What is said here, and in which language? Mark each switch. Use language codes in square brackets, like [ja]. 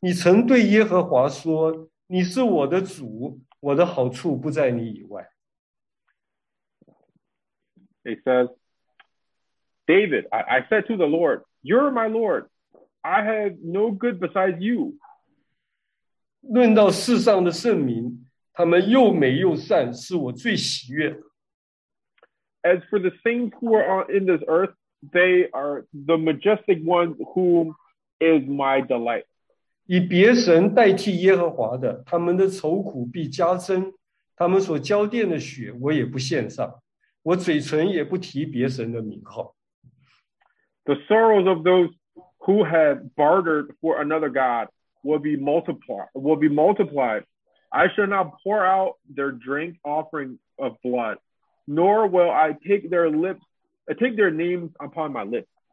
[zh] 大卫说：“我的心啊，你曾对耶和华说。” 你是我的主, 我的好处不在你以外。 [en] It says, David, I said to the Lord, you're my Lord. I have no good besides you. [zh] 论到世上的圣民, 他们又美又善, 是我最喜悦。 [en] As for the saints who are in this earth, they are the majestic ones whom is my delight. [zh] 以别神代替耶和华的，他们的愁苦必加增，他们所浇奠的血我也不献上，我嘴唇也不提别神的名号。 [en] The sorrows of those who have bartered for another god will be multiplied. Will be multiplied. I shall not pour out their drink offering of blood, nor will I take their lips, take their names upon my lips.